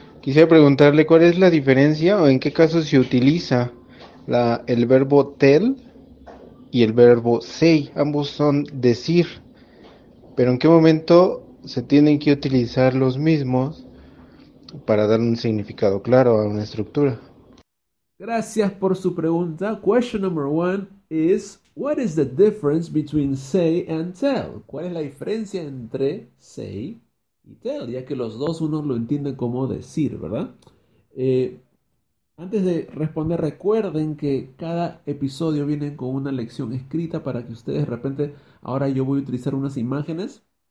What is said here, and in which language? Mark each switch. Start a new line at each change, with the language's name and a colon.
Spanish: Quisiera preguntarle cuál es la diferencia o en qué caso se utiliza el verbo tell y el verbo say. Ambos son decir, pero ¿en qué momento se tienen que utilizar los mismos para dar un significado claro a una estructura? Gracias por su pregunta.
English: Question number one is, what is the difference between say and tell?
Spanish: ¿Cuál es la diferencia entre say y tell? Ya que los dos uno lo entiende como decir, ¿verdad? Antes de responder, recuerden que cada episodio viene con una lección escrita para que ustedes, de repente, ahora yo voy a utilizar unas imágenes.